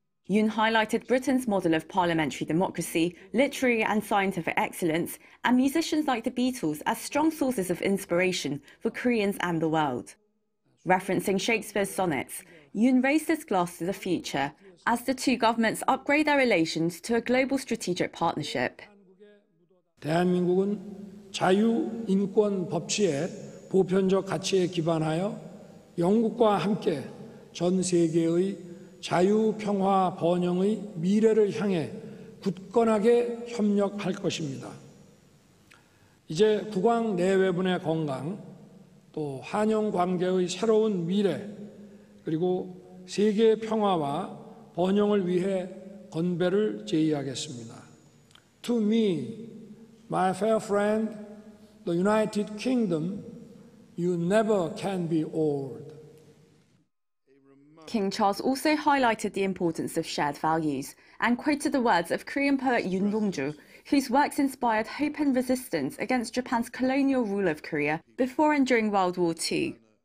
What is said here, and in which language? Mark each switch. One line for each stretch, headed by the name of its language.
English: Yoon highlighted Britain's model of parliamentary democracy, literary and scientific excellence, and musicians like the Beatles as strong sources of inspiration for Koreans and the world. Referencing Shakespeare's sonnets, Yoon raised his glass to the future as the two governments upgrade their relations to a global strategic partnership.
Korean: 대한민국은 자유, 인권, 법치의 보편적 가치에 기반하여 영국과 함께 전 세계의 자유, 평화, 번영의 미래를 향해 굳건하게 협력할 것입니다. 이제 국왕 내외분의 건강, 또 한영 관계의 새로운 미래, 그리고 세계 평화와 번영을 위해 건배를 제의하겠습니다.
English: To me, my fair friend, the United Kingdom, you never can be old. King Charles also highlighted the importance of shared values and quoted the words of Korean poet Yoon Dong-ju, whose works inspired hope and resistance against Japan's colonial rule of Korea before and during World War II.